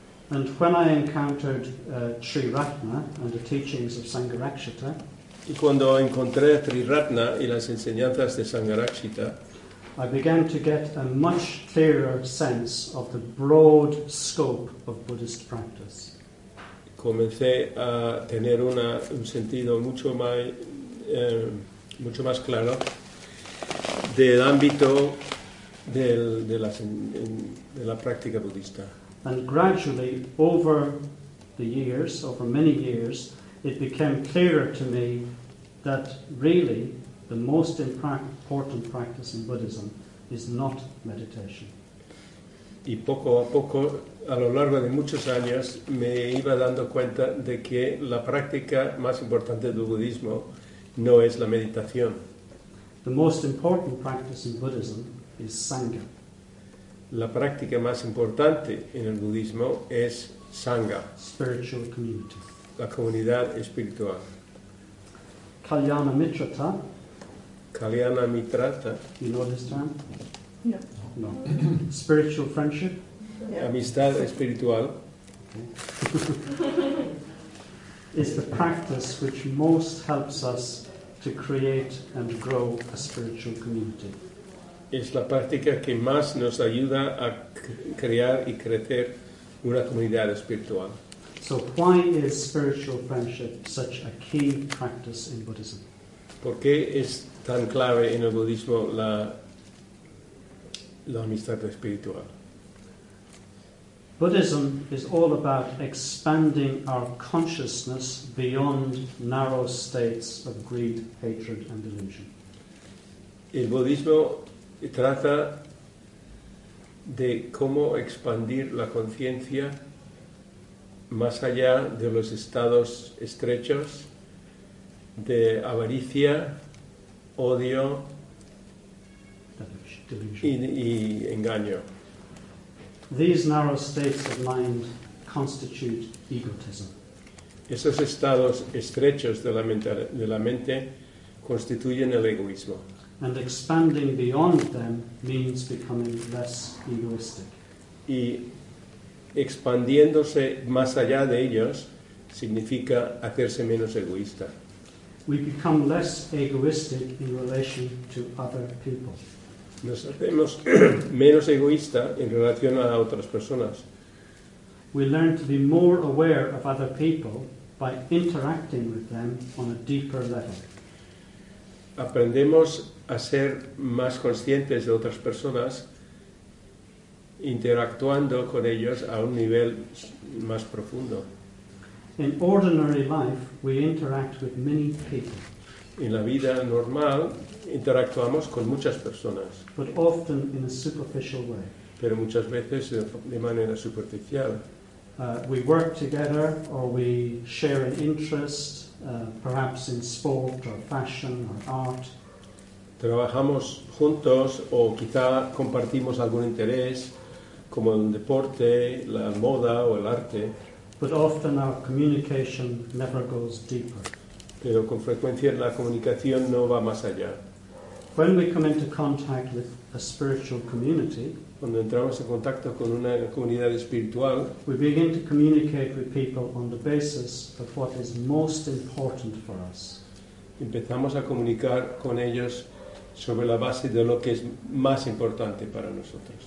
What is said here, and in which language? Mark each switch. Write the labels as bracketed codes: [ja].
[en] And when I encountered Tree of Atma and the teachings of Sangharakshita, [es] y cuando encontré a Tree of Atma y las enseñanzas de Sangharakshita, [en] I began to get a much clearer sense of the broad scope of Buddhist practice. [es] Comencé a tener un sentido mucho más claro del ámbito de la práctica budista. [en] And gradually, over the years, over many years, it became clearer to me that really the most important practice in Buddhism is not meditation. [es] Y poco a poco, a lo largo de muchos años, me iba dando cuenta de que la práctica más importante del budismo no es la meditación. [en] The most important practice in Buddhism is Sangha. [es] La práctica más importante en el budismo es Sangha. [en] Spiritual community. [es] La comunidad espiritual. [en] Kalyanamitrata. [es] Kalyanamitrata. [en] You know this term? [es] No. [en] Spiritual friendship. [es] Yeah. Amistad espiritual. [en] Okay. Is the practice which most helps us to create and grow a spiritual community. [es] Es la práctica que más nos ayuda a crear y crecer una comunidad espiritual. [en] So why is spiritual friendship such a key practice in Buddhism? [es] ¿Por qué es tan clave en el budismo la amistad espiritual? [en] Buddhism is all about expanding our consciousness beyond narrow states of greed, hatred, and delusion. [es] El budismo trata de cómo expandir la conciencia más allá de los estados estrechos de avaricia, odio y engaño. [en] These narrow states of mind constitute egotism. [es] Esos estados estrechos de la mente constituyen el egoísmo. [en] And expanding beyond them means becoming less egoistic. [es] Y expandiéndose más allá de ellos significa hacerse menos egoísta. [en] We become less egoistic in relation to other people. [es] Nos hacemos menos egoísta en relación a otras personas. [en] We learn to be more aware of other people by interacting with them on a deeper level. [es] Aprendemos a ser más conscientes de otras personas interactuando con ellos a un nivel más profundo. [en] In ordinary life, we interact with many people. [es] En la vida normal interactuamos con muchas personas, [en] but often in a superficial way. [es] Pero muchas veces de manera superficial. [en] We work together or we share an interest, perhaps in sport or fashion or art. [es] Trabajamos juntos o quizá compartimos algún interés, como el deporte, la moda o el arte. [en] But often our communication never goes deeper. [es] Pero con frecuencia la comunicación no va más allá. [en] When we come into contact with a spiritual community, [es] cuando entramos en contacto con una comunidad espiritual, [en] we begin to communicate with people on the basis of what is most important for us. [es] Empezamos a comunicar con ellos sobre la base de lo que es más importante para nosotros.